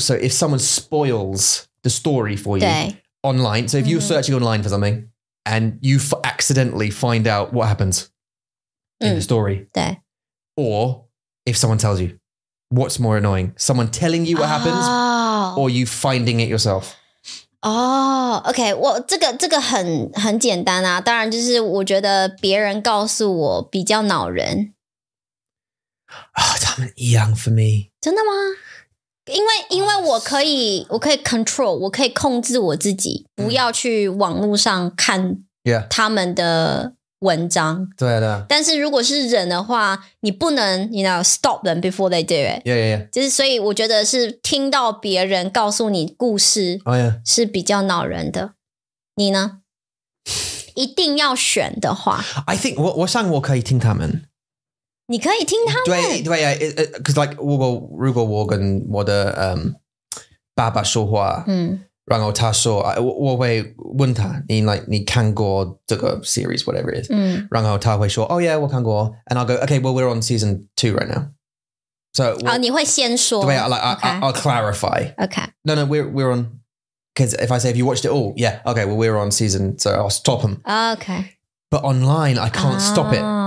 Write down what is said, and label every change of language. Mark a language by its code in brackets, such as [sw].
[en] So if someone spoils the story for you online, so if you're searching online for something and you accidentally find out what happens in the story, or if someone tells you, what's more annoying? Someone telling you what happens or you finding it yourself? [zh] Okay, 我这个很简单啊，当然就是我觉得别人告诉我比较恼人。他们一样 [en] for me. [zh] 真的吗?因为我可以 control, 我可以控制我自己, 不要去网络上看他们的文章。但是如果是人的话, 你不能, [en] you know, stop them before they do it. Yeah. [zh] 就是所以我觉得是听到别人告诉你故事, [en] oh, yeah. [zh] 是比较恼人的。你呢?一定要选的话。 [en] I think [zh] 我想我可以听他们。你可以听他们。对，因为如果我跟我的爸爸说话，然后他说，我会问他，你看过这个series, [en] whatever it is, [zh] 然后他会说, [en] oh yeah, [zh] 我看过, [en] and I'll go, okay, well, we're on season two right now. So, [zh] 你会先说。对, [en] like, I'll clarify. Okay. No, we're on, because if I say, have you watched it all? Yeah, okay, well, we're on season, so I'll stop him. Okay. But online, I can't stop it.